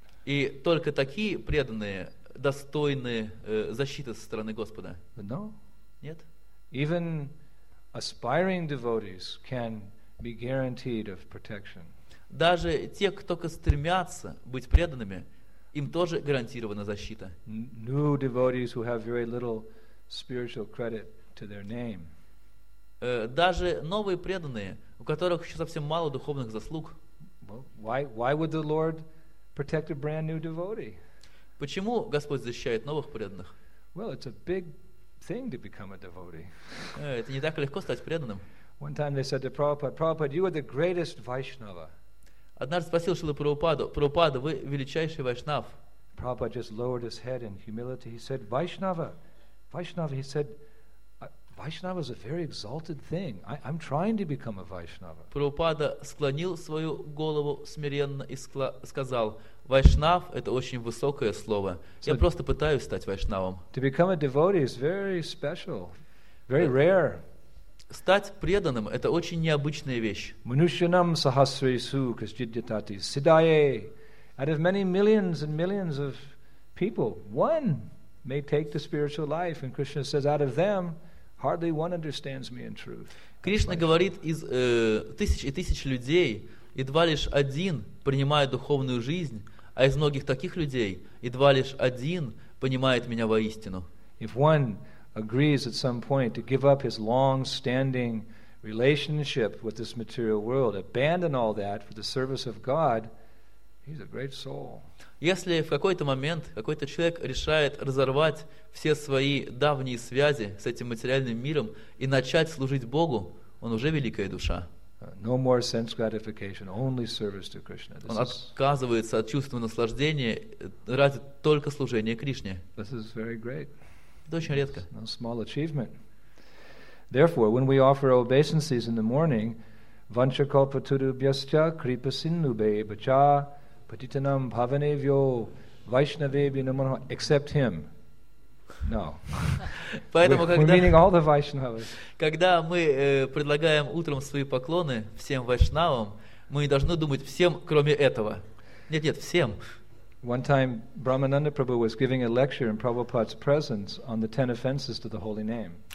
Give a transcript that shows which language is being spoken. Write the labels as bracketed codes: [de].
[ru] И только такие преданные достойны защиты со стороны Господа. [en] But no. [ru] Нет. [en] Even aspiring devotees can be guaranteed of protection. [ru] Даже те, кто только стремятся быть преданными, им тоже гарантирована защита. [en] New devotees who have very little spiritual credit to their name. [ru] Даже новые преданные, у которых еще совсем мало духовных заслуг. [en] Well, why would the Lord protect a brand new devotee? [ru] Почему Господь защищает новых преданных? [en] Well, it's a big thing to become a devotee. [ru] Это не так легко стать преданным. [en] One time they said to Prabhupada, Prabhupada, you are the greatest Vaishnava. [ru] Однажды спросил Шрила Прабхупаду: «Прабхупада, вы величайший вайшнав». [en] Prabhupada just lowered his head in humility. He said, Vaishnava, Vaishnava, he said, Vaishnava is a very exalted thing. I'm trying to become a Vaishnava. [ru] Прабхупада склонил свою голову смиренно и сказал: «Вайшнав — это очень высокое слово. Я просто пытаюсь стать вайшнавом». [en] To become a devotee is very special, very rare. [ru] Стать преданным — это очень необычная вещь. [sa] Manushyanam sahasresu kasjidyatati siddhaye. [en] Out of many millions and millions of people, one may take the spiritual life. And Krishna says, out of them, hardly one understands me in truth. [ru] Кришна говорит, из тысяч и тысяч людей едва лишь один принимает духовную жизнь, а из многих таких людей едва лишь один понимает меня воистину. [en] If one agrees at some point to give up his long-standing relationship with this material world, abandon all that for the service of God, he's a great soul. [ru] Если в какой-то момент какой-то человек решает разорвать все свои давние связи с этим материальным миром и начать служить Богу, он уже великая душа. [en] No more sense gratification, only service to Krishna. This [ru] Он отказывается от чувства наслаждения ради только служения Кришне. [en] This is very great. [ru] Это очень редко. [en] No small achievement. Therefore, when we offer obeisances in the morning, [sa] vanchakalpaturubhyascha kripasinubhyascha patitanam bhavanevyo vaishnavebhyo namonaha, [en] except him. No. [ru] Поэтому, [en] we're meaning all the Vaishnavas. [ru] Когда мы предлагаем утром свои поклоны всем вайшнавам, мы не должны думать всем, кроме этого. Нет, всем. [en] One time, Brahmananda Prabhu was giving a lecture in Prabhupada's presence on the 10 offenses to the holy name.